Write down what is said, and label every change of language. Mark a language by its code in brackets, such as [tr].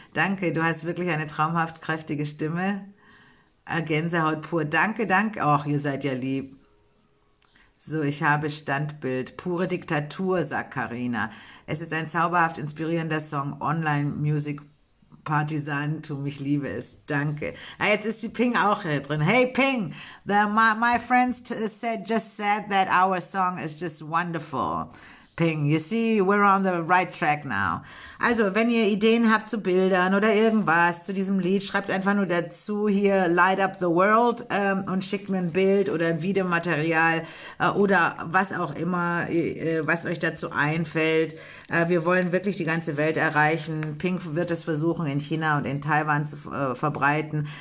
[de] Danke, du hast wirklich eine traumhaft kräftige Stimme. Gänsehaut pur, danke, danke. Och, ihr seid ja lieb. So, ich habe Standbild. Pure Diktatur, sagt Carina. Es ist ein zauberhaft inspirierender Song, Online-Music-Partisanentum, ich liebe es. Danke. Ah, jetzt ist die Ping auch hier drin. [en] Hey, Ping, my friends just said that our song is just wonderful. Ping, you see, we're on the right track now. [de] Also, wenn ihr Ideen habt zu Bildern oder irgendwas zu diesem Lied, schreibt einfach nur dazu hier, Light Up the World, und schickt mir ein Bild oder ein Videomaterial oder was auch immer, was euch dazu einfällt. Wir wollen wirklich die ganze Welt erreichen. Pink wird es versuchen, in China und in Taiwan zu verbreiten.